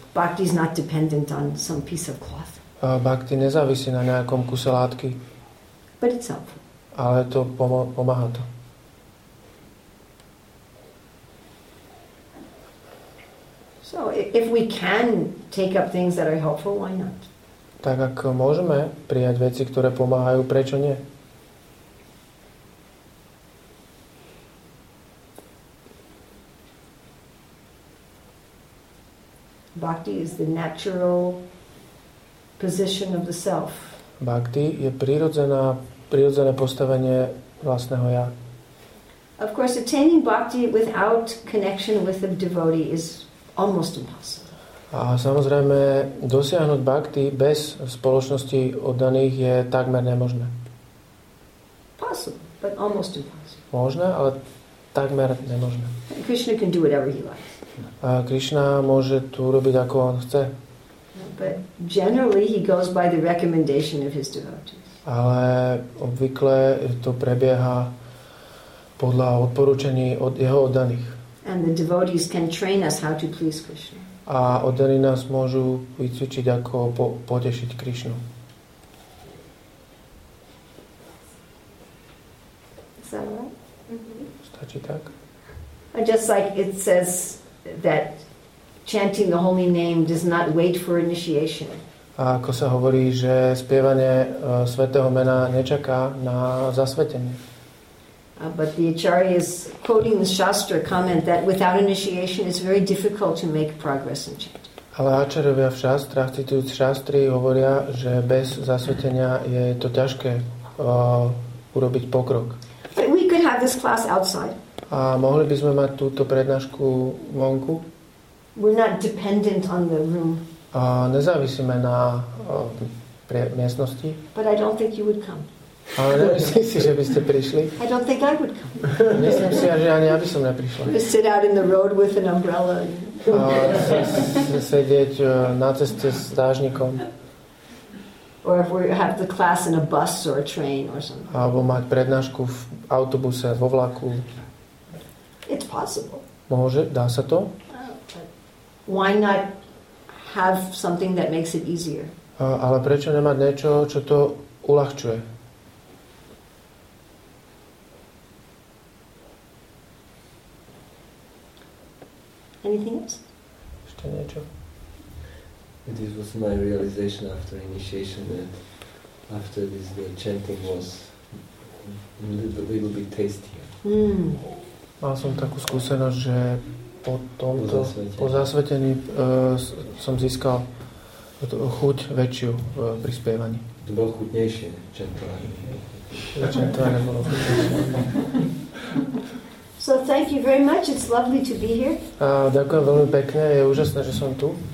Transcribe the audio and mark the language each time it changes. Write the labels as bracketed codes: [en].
[en] Bhakti is not dependent on some piece of cloth. [sk] Bhakti nezávisí na nejakom kuse látky. [en] But it's helpful. [sk] Ale to pomáha to. [en] So if we can take up things that are helpful, why not? [sk] Tak ak môžeme prijať veci, ktoré pomáhajú, prečo nie? [en] Bhakti is the natural position of the self. [sk] Bhakti je prirodzené postavenie vlastného ja. [en] Of course, attaining bhakti without connection with the devotee is almost impossible. [sk] A samozrejme, dosiahnuť bhakti bez spoločnosti oddaných je takmer nemožné. [en] Possible, but almost impossible. [sk] Možné, ale takmer nemožné. [en] Krishna can do whatever he likes. [sk] A Krishna môže tu robiť ako on chce. [en] But generally he goes by the recommendation of his devotees. [sk] Ale obvykle to prebieha podľa odporúčaní od jeho oddaných. [en] And the devotees can train us how to please Krishna. [sk] A oddaní nás môžu vycvičiť, ako potešiť Krishnu. Stačí tak? [en] I just like it says that chanting the holy name does not wait for initiation. [sk] A ako sa hovorí, že spievanie svätého mena nečaká na zasvetenie. [en] But the acharya is quoting the shastra comment that without initiation it's very difficult to make progress in chanting. [sk] Ale acharyovia v šastrách, citujúc šastry, hovoria, že bez zasvetenia je to ťažké urobiť pokrok. [en] But we could have this class outside. [sk] A mohli by sme mať túto prednášku vonku? [en] We're not dependent on the room. [sk] A nezávisíme na miestnosti. [en] But I don't think you would come. [sk] A nemyslím si, že by ste prišli. [en] I don't think I would come. [sk] Myslím si, že ani ja by som neprišla. [en] Sit out in the road with an umbrella. [sk] A sedieť na ceste s dážnikom. [en] Or if we have the class in a bus or a train or something. [sk] Alebo mať prednášku v autobuse, vo vlaku. [en] It's possible. [sk] Môže, dá sa to? [en] Why not have something that makes it easier? [sk] Ale prečo nemať niečo, čo to uľahčuje? [en] Anything else? [sk] Ešte niečo. [en] This was my realization after initiation that after this the chanting was a little bit tastier. [sk] Mal som takú skúsenosť, že po tomto, po zasvetení som získal chuť väčšiu pri spievaní. To bolo chutnejšie, čentovanie. Čentovanie bolo chutnejšie. [en] So thank you very much, it's lovely to be here. [sk] Ďakujem veľmi pekne, je úžasné, že som tu.